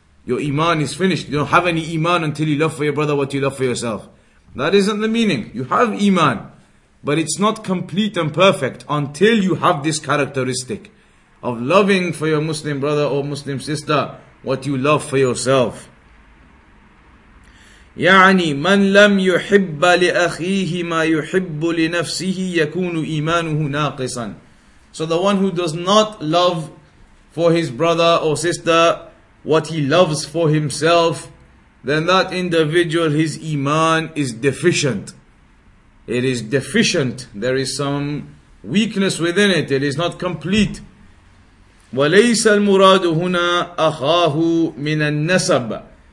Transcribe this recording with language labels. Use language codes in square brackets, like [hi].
[en] Your iman is finished. You don't have any iman until you love for your brother what you love for yourself. That isn't the meaning. You have iman, but it's not complete and perfect until you have this characteristic of loving for your Muslim brother or Muslim sister what you love for yourself. [ar] يعني من لم يحب لأخيه ما يحب لنفسه يكون إيمانه ناقصا. [en] So the one who does not love for his brother or sister what he loves for himself, then that individual, his iman is deficient. It is deficient. There is some weakness within it. It is not complete. [ar] وَلَيْسَ الْمُرَادُ هُنَا أَخَاهُ مِنَ النَّسَبَ.